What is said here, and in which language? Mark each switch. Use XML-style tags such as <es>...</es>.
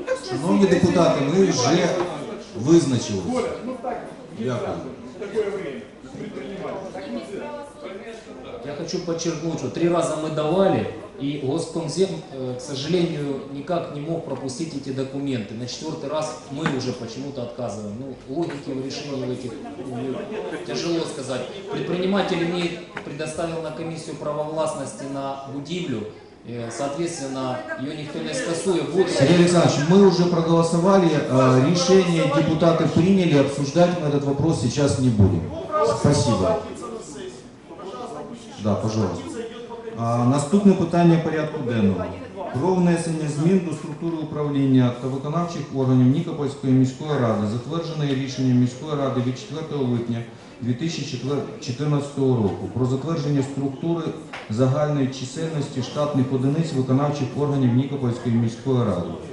<uk>Шановні депутати, ми вже визначилися. Коля, ну так, дякую. Таке время.</uk> <ru>Я хочу подчеркнуть,</ru> <uk>що три рази ми давали.</uk> <ru>И Госкомзем, к сожалению, никак не мог пропустить эти документы. На четвертый раз мы уже почему-то отказываем. Ну, логики в решении этих тяжело сказать. Предприниматель мне предоставил на комиссию правовластности на будивлю. Соответственно, ее никто не скасует. Вот. Сергей Александрович, мы уже проголосовали, решение депутаты приняли, обсуждать мы этот вопрос сейчас не будем. Спасибо. Да, пожалуйста.</ru> <uk>Наступне питання порядку денного. Про внесення змін до структури управління та виконавчих органів Нікопольської міської ради, затвердженої рішенням міської ради від 4 липня 2014 року про затвердження структури загальної чисельності штатних одиниць виконавчих органів Нікопольської міської ради.</uk>